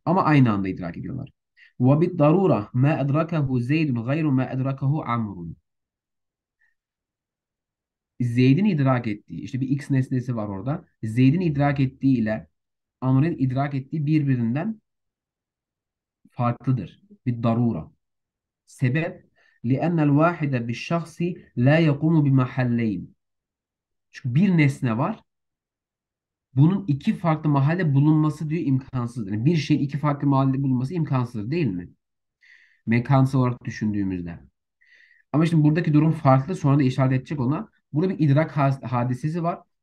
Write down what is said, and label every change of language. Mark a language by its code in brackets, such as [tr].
[tr] Ama aynı anda idrak ediyorlar. [ar] Vabit darura ma edrakahu Zeydun gayru ma edrakahu Amrun. [tr] Zeyd'in idrak ettiği, işte bir X nesnesi var orada. Zeyd'in idrak ettiği ile Amr'ın idrak ettiği birbirinden farklıdır. Bir darura. Sebep, [ar] لِأَنَّ الْوَاحِدَ بِالشَّخْصِ لَا يَقُومُ بِمَحَلَّيْنِ. [tr] Çünkü bir nesne var. Bunun iki farklı mahalle bulunması diyor imkansızdır. Yani bir şeyin iki farklı mahalle bulunması imkansızdır değil mi? Mekansal olarak düşündüğümüzde. Ama şimdi buradaki durum farklı. Sonra da işaret edecek ona. Burada bir idrak hadisesi var.